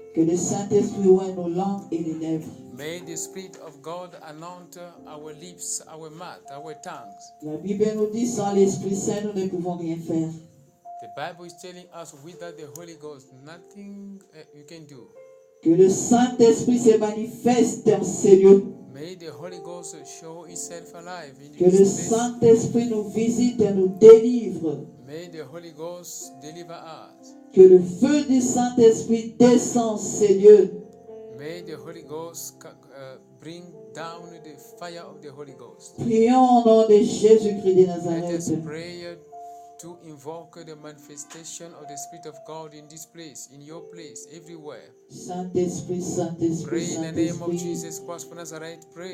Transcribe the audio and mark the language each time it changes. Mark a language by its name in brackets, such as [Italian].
[French] Que le Saint-Esprit ouvre nos langues et les lèvres. [English] May the Spirit of God anoint our lips, our mouth, our tongues. [French] La Bible nous dit sans l'Esprit Saint, nous ne pouvons rien faire. [English] The Bible is telling us without the Holy Ghost, nothing you can do. [French] Que le Saint-Esprit se manifeste en ces lieux. [English] May the Holy Ghost show itself alive in [French] que le Saint-Esprit nous visite et nous délivre. [English] May the Holy Ghost deliver us. [French] Que le feu du Saint-Esprit descend en ces lieux. [English] May the Holy Ghost bring down the fire of the Holy Ghost. [French] Prions au nom de Jésus-Christ de Nazareth. [English] Let us pray to invoke the manifestation of the Spirit of God in this place, in your place, everywhere. [French] Saint-Esprit, Saint-Esprit, [English] pray [French] Saint-Esprit. [English] In the name of Jesus Christ of Nazareth, pray.